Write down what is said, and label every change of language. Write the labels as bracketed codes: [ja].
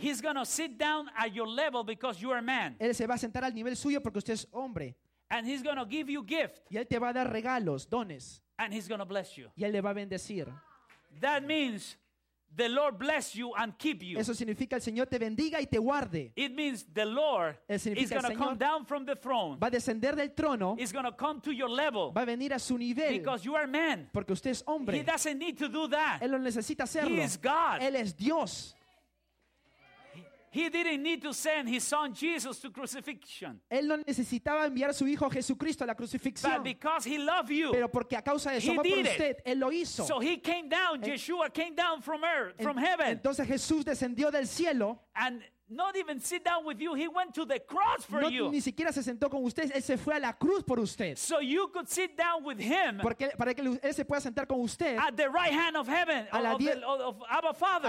[en] He's going to sit down at your level because you are man. [es] Él se va a sentar al nivel suyo porque usted es hombre. [en] And he's going to give you gift. [es] Y él te va a dar regalos, dones. [en] And he's going to bless you. [es] Y él le va a bendecir. [en] That means the Lord bless you and keep you. [es] Eso significa el Señor te bendiga y te guarde. [en] It means the Lord is going to come down from the throne. [es] Va a descender del trono. [en] He's going to come to your level. [es] Va a venir a su nivel. [en] Because you are man. [es] Porque usted es hombre. [en] He doesn't need to do that. [es] Él no necesita hacerlo. [en] He is God. [es] Él es Dios. [en] He didn't need to send his son Jesus to crucifixion. [es] Él no necesitaba enviar a su hijo Jesucristo a la crucifixión. [en] But because he loved you. [es] Pero porque a causa de su amor por usted, él lo hizo. [en] So he came down. Yeshua came down from earth, from heaven. [es] Entonces Jesús descendió del cielo. [en] And not even sit down with you. He went to the cross for you. [es] Ni siquiera se sentó con usted. Él se fue a la cruz por usted. [en] So you could sit down with him. [es] Porque para que él se pueda sentar con usted. [en] At the right hand of heaven, of Abba Father.